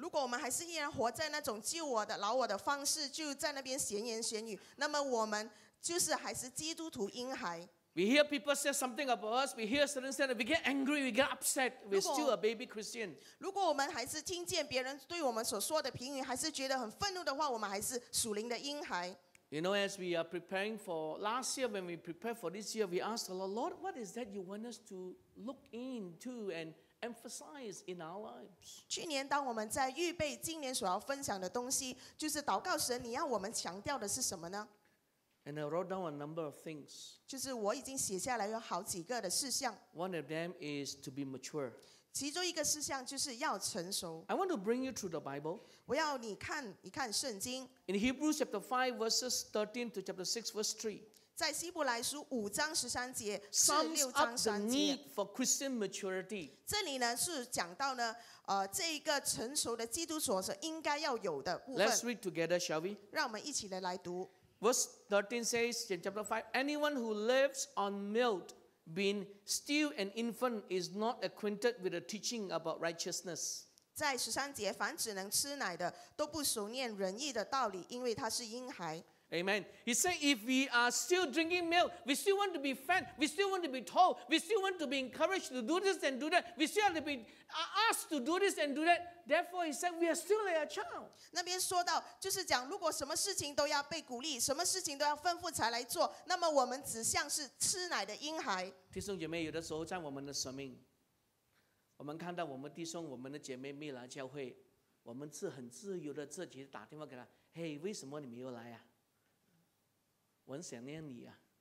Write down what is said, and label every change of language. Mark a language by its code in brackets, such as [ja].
[zh] 如果我们还是依然活在那种救我的老我的方式，就在那边闲言闲语，那么我们就是还是基督徒婴孩。 [en] We hear people say something about us, we hear certain things, we get angry, we get upset, we're still a baby Christian. [zh] 如果我们还是听见别人对我们所说的评语，还是觉得很愤怒的话，我们还是属灵的婴孩。 [en] You know, as we are preparing for last year, when we prepare for this year, we ask the Lord, Lord, what is that you want us to look into and emphasize in our lives? [zh] 去年当我们在预备今年所要分享的东西，就是祷告神，你要我们强调的是什么呢？ [en] And I wrote down a number of things. [zh] 就是我已经写下来有好几个的事项。 [en] One of them is to be mature. [zh] 其中一个事项就是要成熟。 [en] I want to bring you through the Bible. [zh] 我要你看一看圣经。 [en] In Hebrews chapter 5 verses 13 to chapter 6 verse 3. [zh] 在希伯来书五章十三节至六章三节。 [en] Sums up the need for Christian maturity. [zh] 这里呢是讲到呢，这一个成熟的基督徒所应该要有的部分。 [en] Let's read together, shall we? [zh] 让我们一起来读。 [en] Verse 13 says in chapter 5, anyone who lives on milk, being still an infant, is not acquainted with the teaching about righteousness. [zh] 在十三节，凡只能吃奶的，都不熟念仁义的道理，因为他是婴孩。 [en] Amen. He said, if we are still drinking milk, we still want to be fed, we still want to be told, we still want to be encouraged to do this and do that, we still have to be asked to do this and do that. Therefore, he said, we are still like a child. [zh] 那边说到，就是讲，如果什么事情都要被鼓励，什么事情都要吩咐才来做，那么我们只像是吃奶的婴孩。弟兄姐妹，有的时候在我们的生命。我们看到我们弟兄我们的姐妹没来教会，我们是很自由的自己打电话给他，嘿，为什么你没有来啊？我很想念你啊。